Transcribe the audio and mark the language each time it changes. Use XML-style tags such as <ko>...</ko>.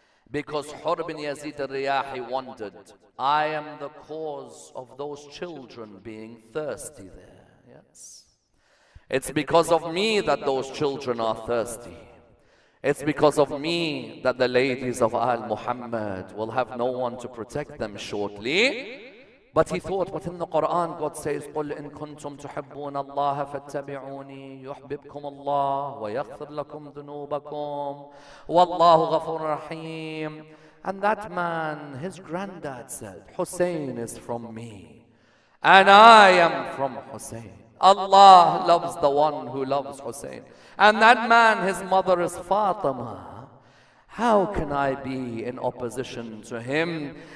<en>Because Hur bin Yazid al-Riyahi wondered, I am the cause of those children being thirsty there. Yes. It's because of me that those children are thirsty. It's because of me that the ladies of Al Muhammad will have no one to protect them shortly. But he thought, but in the Quran, God says,</en> <ar>قُلْ إِن كُنْتُمْ تُحِبُّونَ اللَّهَ فَاتَّبِعُونِي يُحْبِبْكُمُ اللَّهُ وَيَغْفِرْ لَكُمْ ذُنُوبَكُمْ وَاللَّهُ غَفُورٌ رَحِيمٌ.</ar> <en>And that man, his granddad said, Hussein is from me, and I am from Hussein. Allah loves the one who loves Hussein. And that man, his mother is Fatima. How can I be in opposition to him?</en>